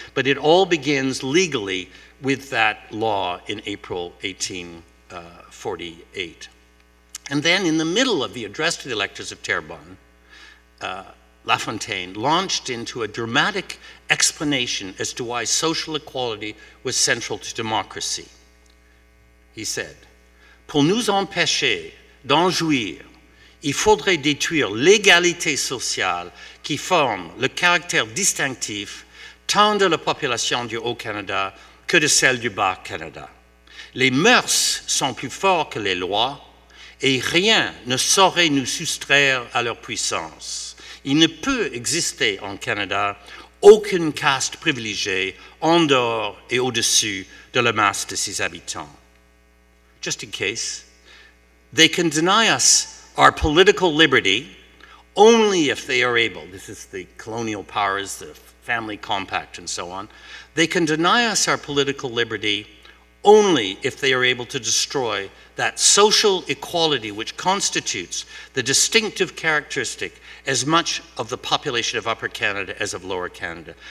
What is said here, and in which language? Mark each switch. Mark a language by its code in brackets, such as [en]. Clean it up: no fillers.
[en] But it all begins legally with that law in April 1848. And then in the middle of the Address to the Electors of Terrebonne, LaFontaine launched into a dramatic explanation as to why social equality was central to democracy. [fr] He said, "Pour nous empêcher d'en jouir, il faudrait détruire l'égalité sociale qui forme le caractère distinctif tant de la population du Haut-Canada que de celle du Bas-Canada. Les mœurs sont plus fortes que les lois et rien ne saurait nous soustraire à leur puissance. Il ne peut exister en Canada aucune caste privilégiée en dehors et au-dessus de la masse de ses habitants." [en] Just in case, they can deny us our political liberty only if they are able, this is the colonial powers, the family compact and so on, they can deny us our political liberty only if they are able to destroy that social equality which constitutes the distinctive characteristic as much of the population of Upper Canada as of Lower Canada.